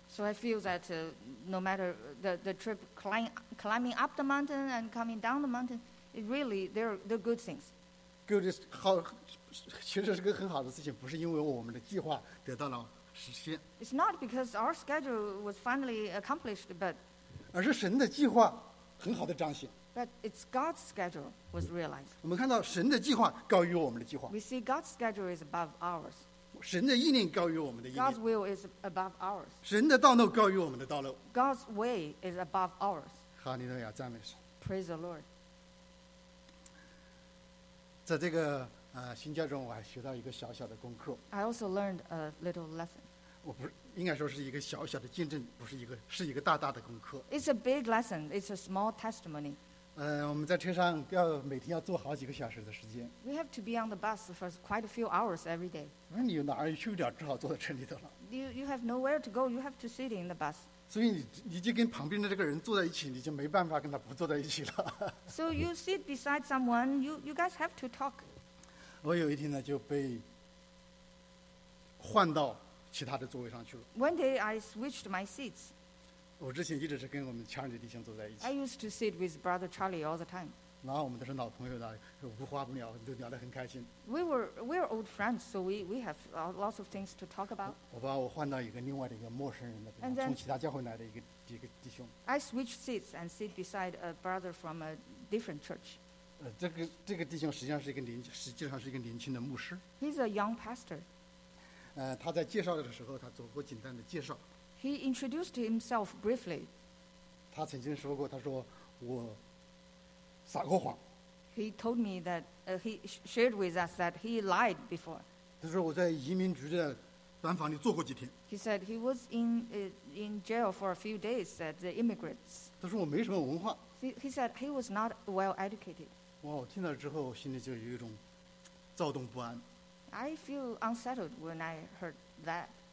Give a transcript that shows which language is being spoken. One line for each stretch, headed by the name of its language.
English: So I feel that no matter the trip climbing up the mountain and coming down the mountain, it really they're good things. Good is
Chinese: 好，其实是个很好的事情，不是因为我们的计划得到了实现。
English: It's not because our schedule was finally accomplished, but
Chinese: 而是神的计划很好的彰显。
English: But it's God's schedule was realized.
Chinese: 我们看到神的计划高于我们的计划。
English: We see God's schedule is above ours.
Chinese: 神的意念高于我们的意念。
English: God's will is above ours.
Chinese: 神的道路高于我们的道路。
English: God's way is above ours.
Chinese: 哈利路亚，赞美神。
English: Praise the Lord.
Chinese: 在这个新教中，我还学到一个小小的功课。
English: I also learned a little lesson.
Chinese: 我不是应该说是一个小小的见证，不是一个是一个大大的功课。
English: It's a big lesson. It's a small testimony.
Chinese: 我们在车上要每天要坐好几个小时的时间。
English: We have to be on the bus for quite a few hours every day.
Chinese: 那你哪儿去不了，只好坐在车里头了。
English: You have nowhere to go. You have to sit in the bus.
Chinese: 所以你就跟旁边的这个人坐在一起，你就没办法跟他不坐在一起了。
English: So you sit beside someone. You guys have to talk.
Chinese: 我有一天呢就被换到其他的座位上去了。
English: One day I switched my seats.
Chinese: 我之前一直是跟我们 Charlie 弟兄坐在一起。
English: I used to sit with brother Charlie all the time.
Chinese: 然后我们都是老朋友了，无话不聊，都聊得很开心。
English: We were old friends, so we have lots of things to talk about.
Chinese: 我把我换到一个另外的一个陌生人的地方，从其他教会来的一个弟兄。
English: I switched seats and sit beside a brother from a different church.
Chinese: 这个弟兄实际上是一个年轻的牧师。
English: He's a young pastor.
Chinese: 他在介绍的时候，他做过简单的介绍。
English: He introduced himself briefly.
Chinese: 他曾经说过，他说我撒过谎。
English: He told me that he shared with us that he lied before.
Chinese: 他说我在移民局的班房里坐过几天。
English: He said he was in jail for a few days at the immigrants.
Chinese: 他说我没什么文化。
English: He said he was not well educated.
Chinese: 哇，我听了之后，心里就有一种躁动不安。
English: I feel unsettled when I heard that.